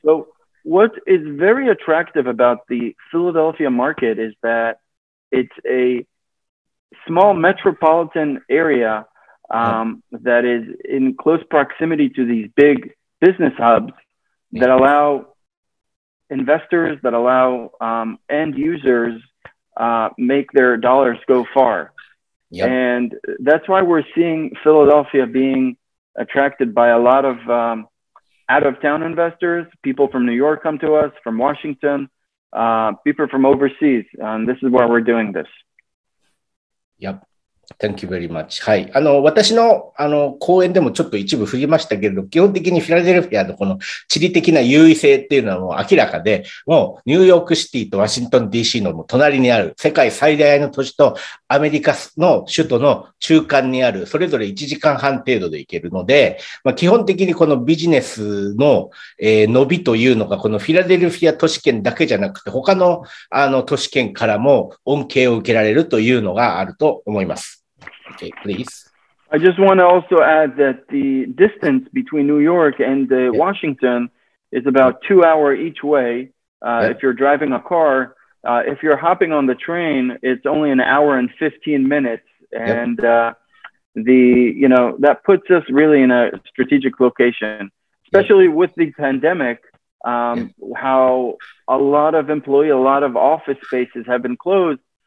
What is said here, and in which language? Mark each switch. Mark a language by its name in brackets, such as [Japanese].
[English] So,What is very attractive about the Philadelphia market is that it's a small metropolitan area that is in close proximity to these big business hubs that allow investors, that allow end users make their dollars go far. Yep. And that's why we're seeing Philadelphia being attracted by a lot of... out-of-town investors, people from New York come to us, from Washington, people from overseas, and this is why we're doing this. Yep, Thank you very much. はい。 [Japanese] 私の、講演でもちょっと一部触れましたけれど、基本的にフィラデルフィアのこの地理的な優位性っていうのはもう明らかで、もうニューヨークシティとワシントン DC の隣にある世界最大の都市とアメリカの首都の中間にある、それぞれ1時間半程度で行けるので、まあ、基本的にこのビジネスの、伸びというのが、このフィラデルフィア都市圏だけじゃなくて、他の、都市圏からも恩恵を受けられるというのがあると思います。 [English] Okay, please. I just want to also add that the distance between New York and Washington is about 2 hours each way. If you're driving a car, if you're hopping on the train, it's only an hour and 15 minutes. And that puts us really in a strategic location, especially with the pandemic, how a lot of employees, a lot of office spaces have been closed.